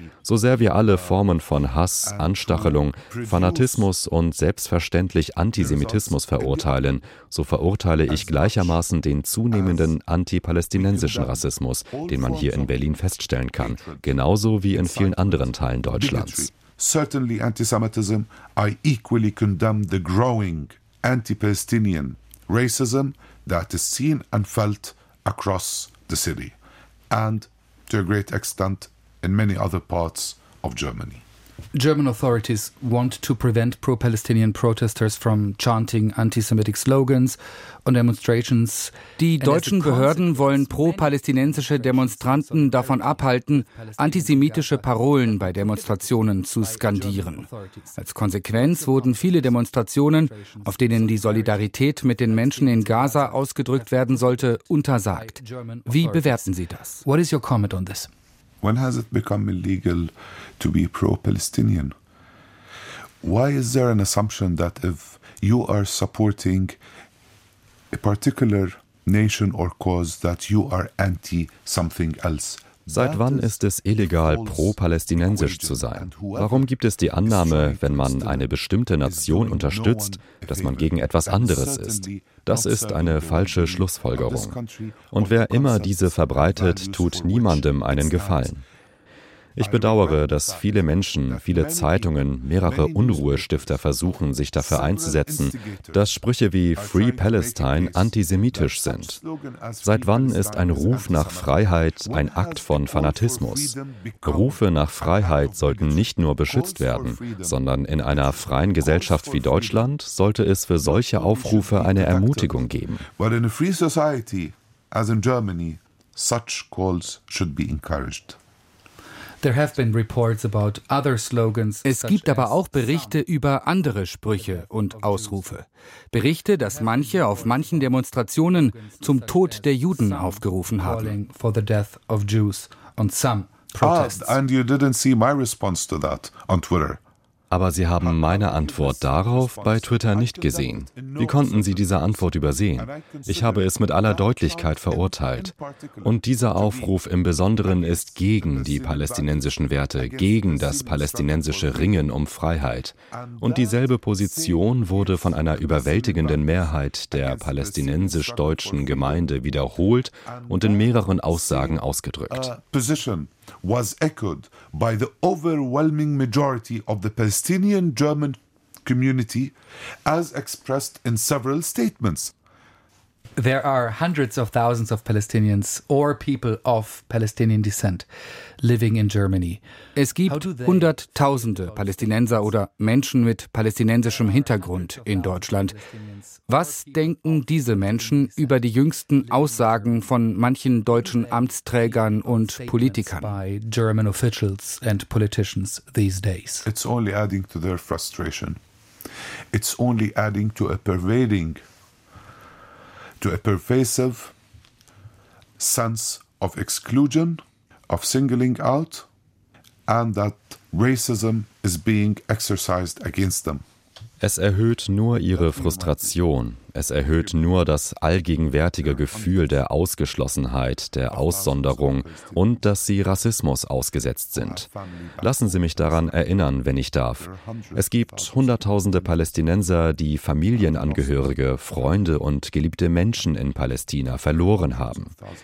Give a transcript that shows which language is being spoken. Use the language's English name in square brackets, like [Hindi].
[German] So sehr wir alle Formen von Hass, Anstachelung, Fanatismus und selbstverständlich Antisemitismus verurteilen, so verurteile ich gleichermaßen den zunehmenden antipalästinensischen Rassismus, den man hier in Berlin feststellen kann, genauso wie in vielen anderen Teilen Deutschlands. [English] Certainly antisemitism, I equally condemn the growing anti-Palestinian racism that is seen and felt across the city and to a great extent in many other parts of Germany. German authorities want to prevent pro-Palestinian protesters from chanting anti-Semitic slogans on demonstrations. [German] Die deutschen Behörden wollen pro-palästinensische Demonstranten davon abhalten, antisemitische Parolen bei Demonstrationen zu skandieren. Als Konsequenz wurden viele Demonstrationen, auf denen die Solidarität mit den Menschen in Gaza ausgedrückt werden sollte, untersagt. Wie bewerten Sie das? [English] What is your comment on this? When has it become illegal to be pro-Palestinian? Why is there an assumption that if you are supporting a particular nation or cause that you are anti something else? [German] Seit wann ist es illegal, pro-palästinensisch zu sein? Warum gibt es die Annahme, wenn man eine bestimmte Nation unterstützt, dass man gegen etwas anderes ist? Das ist eine falsche Schlussfolgerung. Und wer immer diese verbreitet, tut niemandem einen Gefallen. Ich bedauere, dass viele Menschen, viele Zeitungen, mehrere Unruhestifter versuchen, sich dafür einzusetzen, dass Sprüche wie [English] Free Palestine [German] antisemitisch sind. Seit wann ist ein Ruf nach Freiheit ein Akt von Fanatismus? Rufe nach Freiheit sollten nicht nur beschützt werden, sondern in einer freien Gesellschaft wie Deutschland sollte es für solche Aufrufe eine Ermutigung geben. [English] But in a free society, as in Germany, such calls should be encouraged. There have been reports about other slogans. [German] Es gibt aber auch Berichte über andere Sprüche und Ausrufe. Berichte, dass manche auf manchen Demonstrationen zum Tod der Juden aufgerufen haben. [English] For the death of Jews on some protests. Ah, and you didn't see my response to that on Twitter. [German] Aber Sie haben meine Antwort darauf bei Twitter nicht gesehen. Wie konnten Sie diese Antwort übersehen? Ich habe es mit aller Deutlichkeit verurteilt. Und dieser Aufruf im Besonderen ist gegen die palästinensischen Werte, gegen das palästinensische Ringen um Freiheit. Und dieselbe Position wurde von einer überwältigenden Mehrheit der palästinensisch-deutschen Gemeinde wiederholt und in mehreren Aussagen ausgedrückt. [English] Was echoed by the overwhelming majority of the Palestinian German community, as expressed in several statements. There are hundreds of thousands of Palestinians or people of Palestinian descent living in Germany. Es gibt Hunderttausende Palästinenser oder Menschen mit palästinensischem Hintergrund in Deutschland. [German] Was denken diese Menschen über die jüngsten Aussagen von manchen deutschen Amtsträgern und Politikern? [English] By German officials and politicians these days. It's only adding to their frustration. It's only adding to a pervading to a pervasive sense of exclusion, of singling out, and that racism is being exercised against them. [German] Es erhöht nur ihre Frustration. Es erhöht nur das allgegenwärtige Gefühl der Ausgeschlossenheit, der Aussonderung und dass sie Rassismus ausgesetzt sind. Lassen Sie mich daran erinnern, wenn ich darf. Es gibt Hunderttausende Palästinenser, die Familienangehörige, Freunde und geliebte Menschen in Palästina verloren haben.